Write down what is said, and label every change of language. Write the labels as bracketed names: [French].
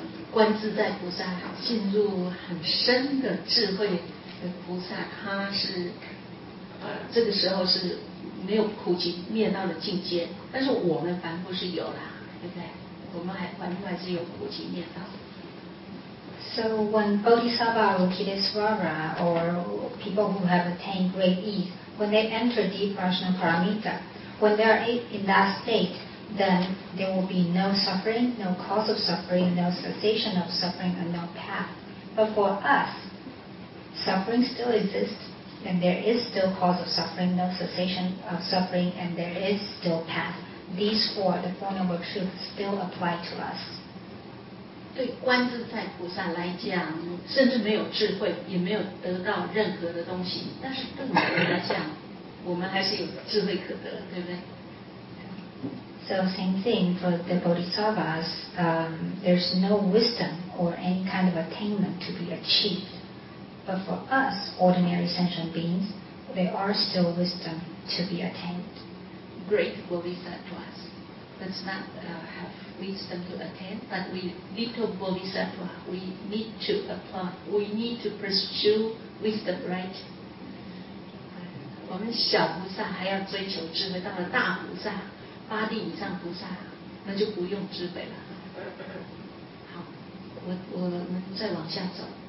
[Chinese] 观自在菩萨进入很深的智慧的菩萨，他是这个时候是没有苦集灭道的境界，但是我们凡夫是有啦，对不对？我们还凡夫还是有苦集灭道。 [English] So when Bodhisattva Avalokiteshvara or people who have attained great ease, when they enter deep Prajna Paramita, when they are in that state. Then there will be no suffering, no cause of suffering, no cessation of suffering, and no path. But for us, suffering still exists, and there is still cause of suffering, no cessation of suffering, and there is still path. These four, the Four Noble Truths, still apply to us. [Chinese] 对观自在菩萨来讲，甚至没有智慧，也没有得到任何的东西。但是对我们来讲，我们还是有智慧可得，对不对？ [English] So same thing for the bodhisattvas, there's no wisdom or any kind of attainment to be achieved. But for us, ordinary sentient beings, there are still wisdom to be attained. Great bodhisattvas. Let's not have wisdom to attain, but we little bodhisattva, we need to apply, we need to pursue wisdom, right? [Chinese] 我们小菩萨还要追求智慧，到了大菩萨八地以上菩萨，那就不用智慧了。好，我们再往下走。